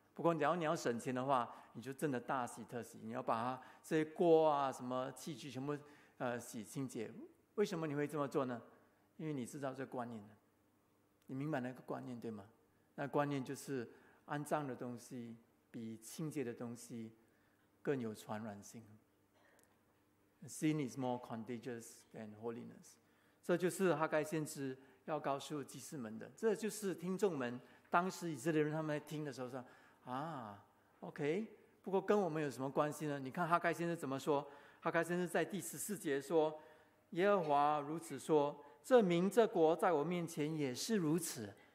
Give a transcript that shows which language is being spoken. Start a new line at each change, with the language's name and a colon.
Chinese: 不过你要省钱的话，你就真的大喜特喜，你要把它这些锅啊什么器具全部洗清洁。为什么你会这么做呢？因为你知道这个观念的，你明白那个观念对吗？那观念就是肮脏的东西比清洁的东西更有传染性。
English: Sin is more contagious than holiness。
Chinese: 这就是哈该先知要告诉祭司们的，这就是听众们当时以色列人他们在听的时候说啊 OK， 不过跟我们有什么关系呢？你看哈该先知怎么说。哈该先知在第十四节说，耶和华如此说，这民这国在我面前也是如此。